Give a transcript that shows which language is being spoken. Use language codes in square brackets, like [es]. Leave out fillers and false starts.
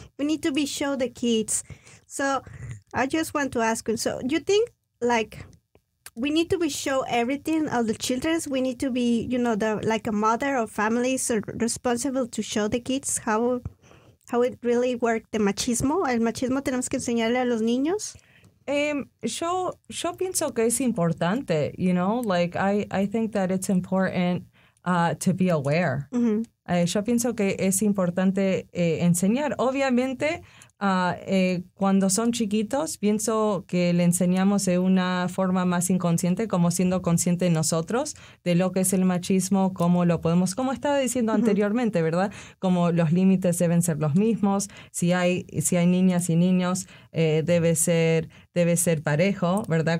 [en] We need to be show the kids. So I just want to ask you. So you think like we need to be show everything of the children? We need to be, you know, the like a mother or families are responsible to show the kids how it really worked, the machismo. [es] El machismo tenemos que enseñarle a los niños. Yo pienso que es importante, [en] you know, like I think that it's important to be aware. Mm-hmm. [es] Yo pienso que es importante enseñar. Obviamente, cuando son chiquitos, pienso que le enseñamos de una forma más inconsciente, como siendo consciente nosotros de lo que es el machismo, cómo lo podemos, como estaba diciendo mm-hmm. anteriormente, ¿verdad? Como los límites deben ser los mismos. Si hay niñas y niños, debe ser parejo, ¿verdad?